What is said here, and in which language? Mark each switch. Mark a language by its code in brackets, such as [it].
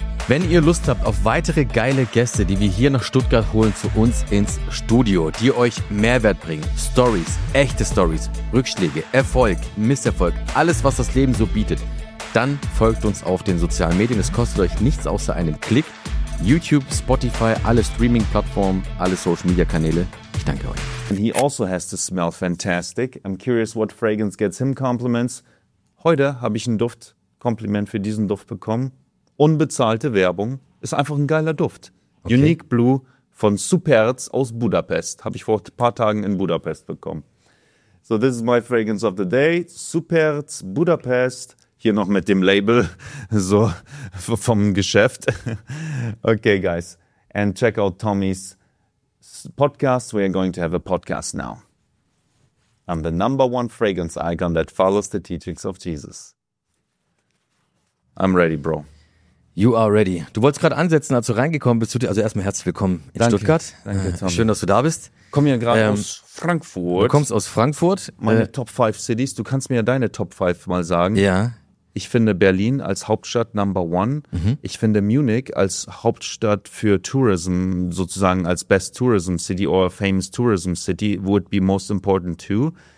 [de] Wenn ihr Lust habt auf weitere geile Gäste, die wir hier nach Stuttgart holen zu uns ins Studio, die euch Mehrwert bringen, Stories, echte Stories, Rückschläge, Erfolg, Misserfolg, alles, was das Leben so bietet, dann folgt uns auf den sozialen Medien. Es kostet euch nichts außer einen Klick. YouTube, Spotify, alle Streaming-Plattformen, alle Social-Media-Kanäle. Ich danke euch. [en] And he also has to smell fantastic. I'm curious what fragrance gets him compliments. [de] Heute habe ich ein Duft-Kompliment für diesen Duft bekommen. Unbezahlte Werbung. Ist einfach ein geiler Duft. Okay. Unique Blue von Superz aus Budapest. Habe ich vor ein paar Tagen in Budapest bekommen. [en] So, this is my fragrance of the day. Superz, Budapest. [de] Hier noch mit dem Label so vom Geschäft. [en] Okay, guys. And check out Tommy's podcast. We are going to have a podcast now. I'm the number one fragrance icon that follows the teachings of Jesus. I'm ready, bro. You are ready. [de] Du wolltest gerade ansetzen, als du reingekommen bist. Also erstmal herzlich willkommen in Stuttgart. Danke, Tom. Schön, dass du da bist. Ich komme hier gerade aus Frankfurt. Du kommst aus Frankfurt. Meine Top 5 Cities. Du kannst mir ja deine Top 5 mal sagen. Ja. Ich finde Berlin als Hauptstadt [en] number one. [de] Mhm. Ich finde Munich als Hauptstadt für Tourism, sozusagen als [en] best tourism city or famous tourism city, would be most important too.